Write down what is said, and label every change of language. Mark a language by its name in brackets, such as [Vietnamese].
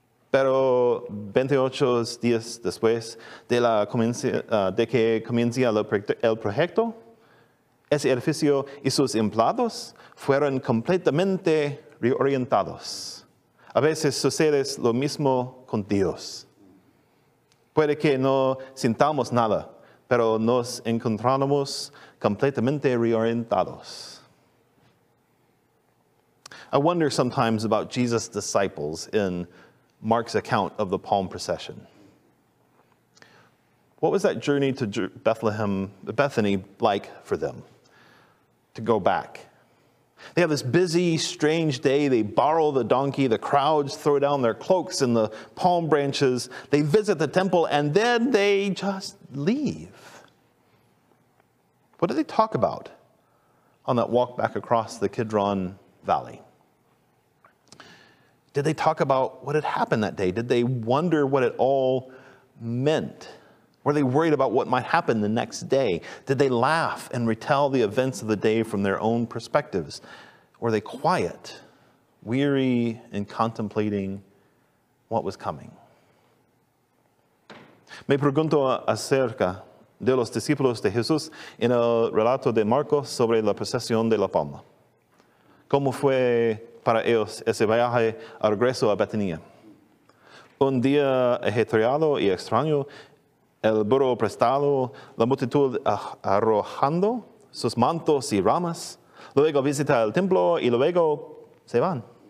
[Spanish] Pero 28 días después de que comienza el proyecto, ese edificio y sus empleados fueron completamente reorientados. A veces sucede lo mismo con Dios. Puede que no sintamos nada, pero nos encontramos completamente reorientados. [English] I wonder sometimes about Jesus' disciples in Mark's account of the palm procession. What was that journey to Bethany like for them to go back? They have this busy, strange day. They borrow the donkey. The crowds throw down their cloaks and the palm branches. They visit the temple, and then they just leave. What did they talk about on that walk back across the Kidron Valley? Did they talk about what had happened that day? Did they wonder what it all meant? Were they worried about what might happen the next day? Did they laugh and retell the events of the day from their own perspectives? Were they quiet, weary, and contemplating what was coming? [Spanish] Me pregunto acerca de los discípulos de Jesús en el relato de Marcos sobre la procesión de la palma. ¿Cómo fue para ellos ese viaje al regreso a Betania? Un día ajetreado y extraño, el burro prestado, la multitud arrojando sus mantos y ramas, luego visita el templo y luego se van.